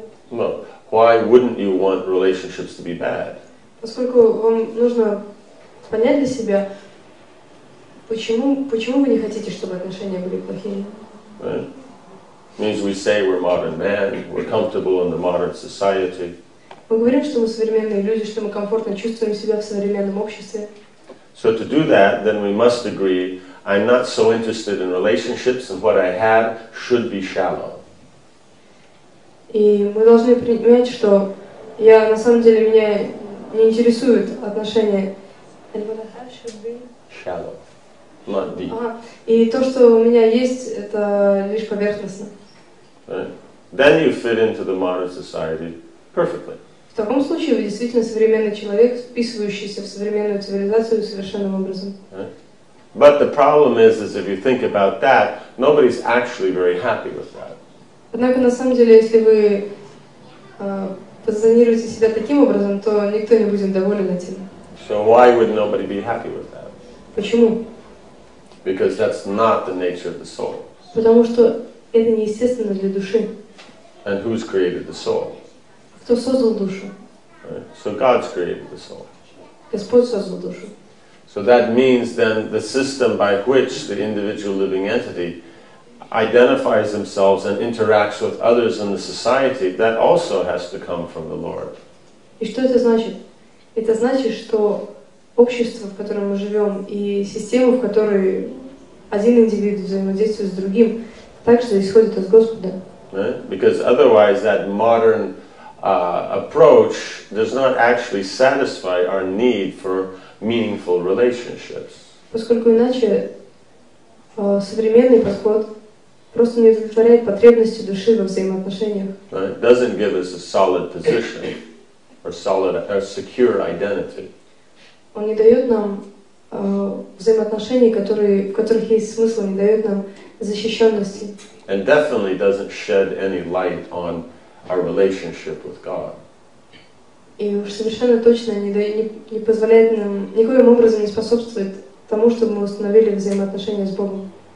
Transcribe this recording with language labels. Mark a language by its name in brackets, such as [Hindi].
[English] Well, why wouldn't you want relationships to be bad? [Russian] Поскольку вам нужно понять для себя, почему вы не хотите, чтобы отношения были плохими? [English] Right. Means we say we're modern men, we're comfortable in the modern society. [Russian] Мы говорим, что мы современные люди, что мы комфортно чувствуем себя в современном обществе. [English] So to do that, then we must agree, I'm not so interested in relationships, and what I have should be shallow. [Russian] И мы должны понимать, что я на самом деле меня не интересует отношения. [English] And what I have should be shallow. Not deep. [Russian] И то, что у меня есть, это лишь поверхностно. [English] Then you fit into the modern society perfectly. [Russian] В таком случае вы действительно современный человек, вписывающийся в современную цивилизацию совершенным образом. [English] But the problem is if you think about that, nobody's actually very happy with that. [Russian] Однако на самом деле, если вы позиционируете себя таким образом, то никто не будет доволен этим. [English] So why would nobody be happy with that? [Russian] Почему? [English] Because that's not the nature of the soul. [Russian] Потому что это неестественно для души. [English] And who's created the soul? [Russian] Кто создал душу? [English] Right. So God's created the soul. [Russian] Господь создал душу. [English] So that means then the system by which the individual living entity identifies themselves and interacts with others in the society, that also has to come from the Lord. [Russian] И что это значит? Это значит, что общество, в котором мы живем, и система, в которой один индивид взаимодействует с другим, также исходит от Господа. [English] Because otherwise that modern approach does not actually satisfy our need for meaningful relationships. [Russian] Поскольку иначе современный подход просто не удовлетворяет потребности души во взаимоотношениях. [English] Right? Doesn't give us a solid position or solid or secure identity. [Russian] Он не дает нам взаимоотношений, в которых есть смысл, не дает нам защищенности. [English] And definitely doesn't shed any light on our relationship with God. [Russian] И уж совершенно точно не позволяет нам, никоим образом не способствует тому, чтобы мы установили взаимоотношения с Богом.